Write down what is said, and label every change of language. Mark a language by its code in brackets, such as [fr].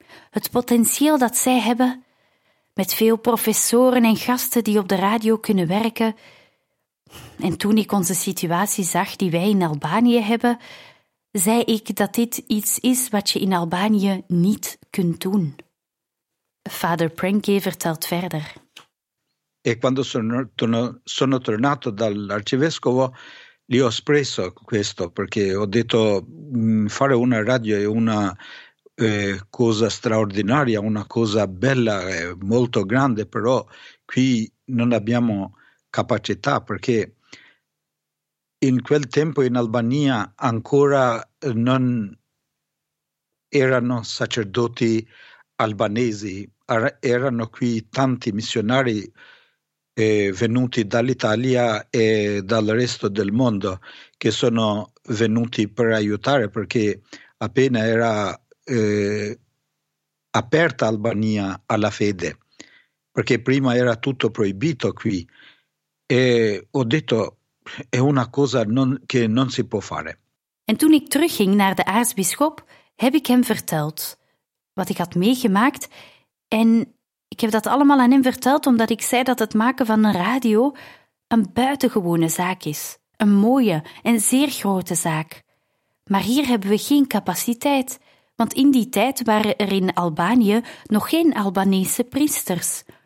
[nl] Het potentieel dat zij hebben, met veel professoren en gasten die op de radio kunnen werken. En toen ik onze situatie zag die wij in Albanië hebben, zei ik dat dit iets is wat je in Albanië niet kunt doen. Vader Prenke vertelt verder. [it] E quando sono tornato dall'arcivescovo, gli ho espresso questo, perché ho detto fare una radio è una cosa straordinaria, una cosa bella, molto grande, però qui non abbiamo capacità, perché in quel tempo in Albania ancora non erano sacerdoti albanesi, erano qui tanti missionari venuti dall'Italia e dal resto del mondo, che sono venuti per aiutare, perché appena era aperta Albania alla fede, perché prima era tutto proibito qui. E ho detto, È una cosa che non si può fare. [nl] En toen ik terugging naar de aartsbisschop, heb ik hem verteld wat ik had meegemaakt. En ik heb dat allemaal aan hem verteld omdat ik zei dat het maken van een radio een buitengewone zaak is. Een mooie en zeer grote zaak. Maar hier hebben we geen capaciteit, want in die tijd waren er in Albanië nog geen Albanese priesters.